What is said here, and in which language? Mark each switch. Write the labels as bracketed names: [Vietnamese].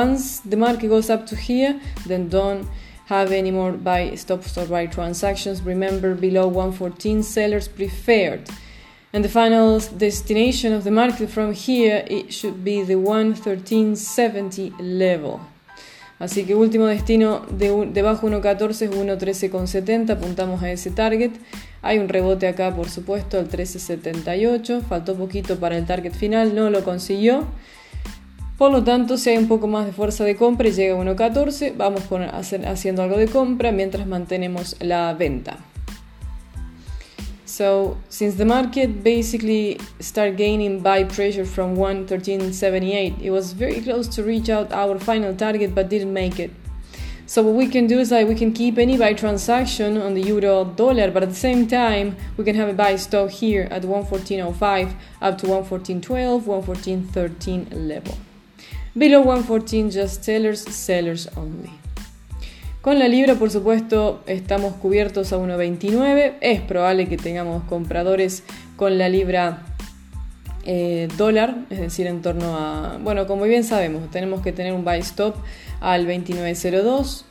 [English] Once the market goes up to here, then don't have any more buy stops or buy transactions. Remember, below 1.14, sellers preferred. And the final destination of the market from here, it should be the 1.1370 level. [Spanish] Así que último destino debajo 1.14 es 1.1370, apuntamos a ese target. Hay un rebote acá, por supuesto, al 1.1378, faltó poquito para el target final, no lo consiguió. Por lo tanto, si hay un poco más de fuerza de compra y llega a 1.14, vamos haciendo algo de compra mientras mantenemos la venta. [English] So, since the market basically started gaining buy pressure from 1.1378, it was very close to reach out our final target but didn't make it. So what we can do is like we can keep any buy transaction on the euro dollar, but at the same time we can have a buy stop here at 1.1405 up to 1.1412, 1.1413 level. Below 1.14 just sellers only. [Spanish] Con la libra, por supuesto, estamos cubiertos a 1.29. Es probable que tengamos compradores con la libra dólar, es decir, en torno a... Bueno, como bien sabemos, tenemos que tener un buy stop al 29.02.